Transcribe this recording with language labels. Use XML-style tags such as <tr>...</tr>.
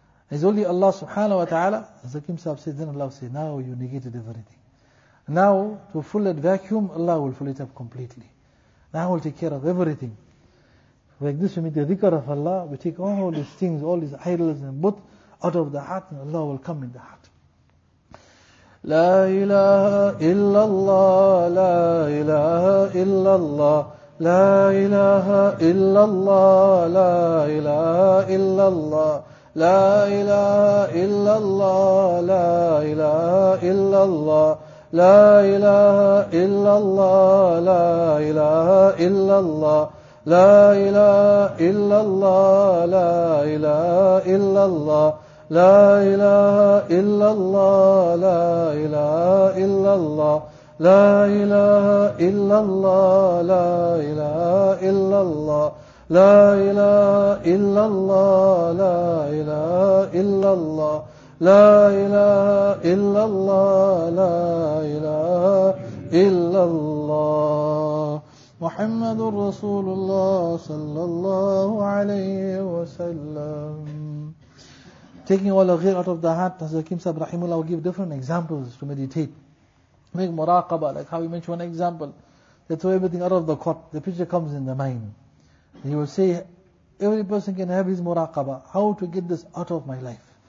<en>It's only Allah subhanahu wa ta'ala. As Hakim Sahib says, then Allah will say, now you negated everything. Now, to fill that vacuum, Allah will fill it up completely. Now we'll take care of everything. Like this, we make the dhikr of Allah, we take all these things, all these idols and but out of the heart, and Allah will come in the heart.</en> <ar>La ilaha illallah, la ilaha illallah, la ilaha illallah, la ilaha illallah, la ilaha illallah, la ilaha illallah, لا إله إلا الله لا إله إلا الله لا إله إلا الله لا إله إلا الله لا إله إلا الله لا إله إلا الله لا إله إلا الله لا إله إلا الله لا إله إلا الله لا إله إلا الله لا إله إلا الله لا إله إلا الله محمد رسول الله صلى الله عليه وسلم.</ar> <en>taking all the ghir out of the heart, Hazrat Kimsab Rahimullah will give different examples to meditate. Make muraqabah, like how he mentioned one example. They throw everything out of the court, the picture comes in the mind. He will say, every person can have his muraqabah, how to get this out of my life.</en>